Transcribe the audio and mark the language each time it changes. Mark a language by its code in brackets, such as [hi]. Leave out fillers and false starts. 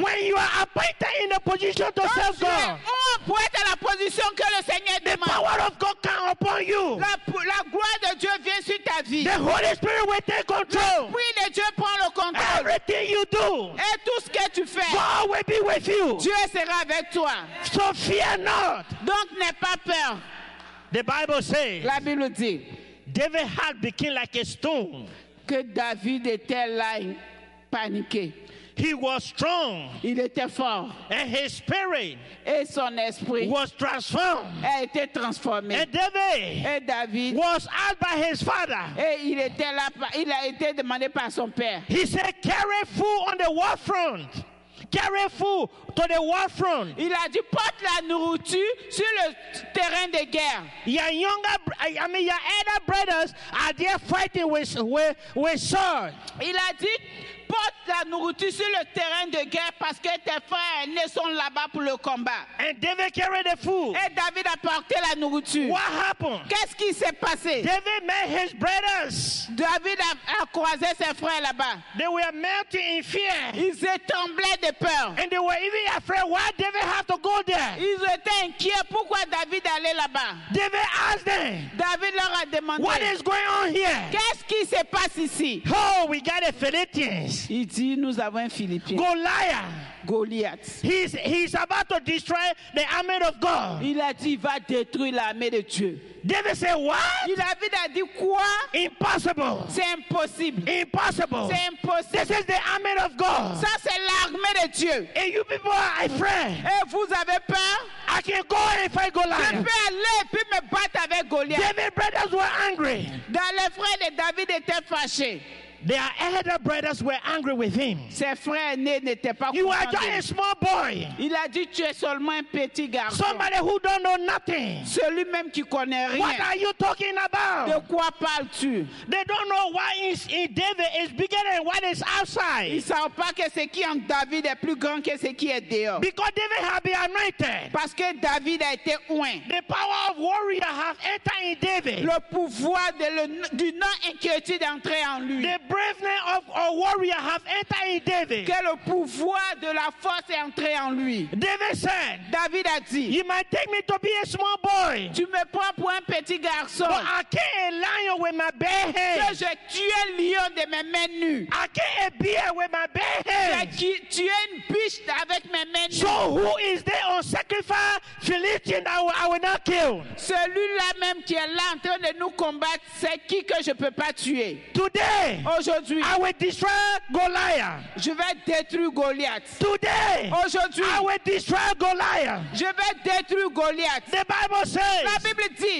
[en] When you are appointed in a position to serve God. [fr] Pour être à la position que le Seigneur demande. [en] The power of God come upon you. [fr] La gloire de Dieu vient sur ta vie. [en] The Holy Spirit will take control. [fr] L'Esprit de Dieu prend le contrôle. [en] Everything you do. [fr] Et tout ce que tu fais. [en] God will be with you. [fr] Dieu sera avec toi. [en] So fear not. [fr] Donc n'aie pas peur. [en] The Bible says. [fr] La Bible dit. [en] David had become like a stone. [fr] Que David était là paniqué. [en] He was strong. [fr] Il était fort. [en] And his spirit. [fr] Et son esprit. [en] Was transformed. [fr] A été transformé. [en] And David. [fr] Et David. [en] Was asked by his father. [fr] Et il était là. Il a été demandé par son père. [en] He said, "Carry food on the war front. Carry food to the war front." [fr] Il a dit, porte la nourriture sur le terrain de guerre. [en] Your elder brothers are there fighting with sword. [fr] Il a dit, porte la nourriture sur le terrain de guerre parce que tes frères ne sont là-bas pour le combat. [en] And David carried the food. [fr] Et David a porté la nourriture. [en] What happened? [fr] Qu'est-ce qui s'est passé? [en] David met his brothers. [fr] David a croisé ses frères là-bas. [en] They were melting in fear. [fr] Ils tremblaient de peur. [en] And they were even afraid why David had to go there. [fr] Ils étaient inquiets pourquoi David allait là-bas. [en] David asked them. [fr] David leur a demandé. [en] What is going on here? [fr] Qu'est-ce qui se passe ici? [en] Oh, we got a Philippian. [fr] Il dit, nous avons un Philippien. [en] Goliath. He's about to destroy the army of God. [fr] Il a dit, va détruire l'armée de Dieu. [en] David said, what? [fr] David a dit, quoi? [en] Impossible. [fr] C'est impossible. [en] Impossible. [fr] C'est impossible. [en] This is the army of God. [fr] Ça, c'est l'armée de Dieu. [en] And you people are afraid. [fr] Et vous avez peur? [en] I can go and fight Goliath. [fr] Je peux aller et me battre avec Goliath. [en] David's brothers were angry. [fr] Dans les frères de David étaient fâchés. [en] Their elder brothers were angry with him. [fr] Ses frères aînés n'étaient pas. [en] You are just a small boy. [fr] Il a dit, tu es seulement un petit garçon. [en] Somebody who don't know nothing. [fr] Celui même qui connaît rien. [en] What are you talking about? [fr] De quoi parles-tu? [en] They don't know why in David is bigger than what is outside. [fr] Ils savent pas que ce qui en David est plus grand que ce qui est dehors. [en] Because David has been anointed. [fr] Parce que David a été oué. [en] The power of warrior has entered in David. [fr] Le pouvoir du nom inquiétude entré en lui. [en] The braveness of a warrior have entered in David. [fr] Que le pouvoir de la force est entré en lui. [en] David said. [fr] David a dit. [en] You might take me to be a small boy. [fr] Tu me prends pour un petit garçon. [en] But I kill a lion with my bare hands. [fr] Que je tue un lion de mes mains nues. [en] I kill a bear with my bare hands. [fr] Je tue une biche avec mes mains nues. [en] So who is there on sacrifice Philistine that I will not kill? [fr] Celui-là même qui est là en train de nous combattre, c'est qui que je peux pas tuer? [en] Today. [fr] Aujourd'hui, [en] I will destroy Goliath. [fr] Je vais détruire Goliath. [en] Today, [fr] aujourd'hui, [en] I will destroy Goliath. [fr] Je vais détruire Goliath. [en] The Bible says. [fr] La Bible dit.